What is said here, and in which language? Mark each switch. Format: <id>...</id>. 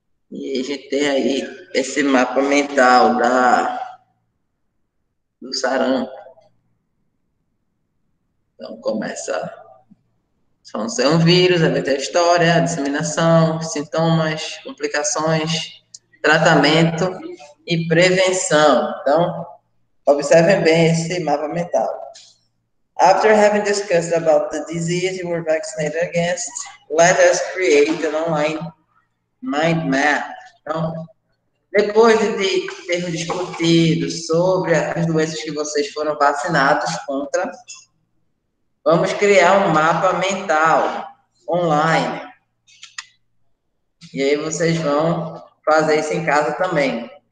<pt>E a gente tem aí esse mapa mental da... do sarampo. Então, começa. São um vírus, a história, a disseminação, sintomas, complicações, tratamento e prevenção. Então, observem bem esse mapa mental.</pt> <en>After having discussed about the disease you were vaccinated against, let us create an online mind map.</en> <pt>Então, depois de ter discutido sobre as doenças que vocês foram vacinados contra, vamos criar um mapa mental online. E aí vocês vão fazer isso em casa também.</pt>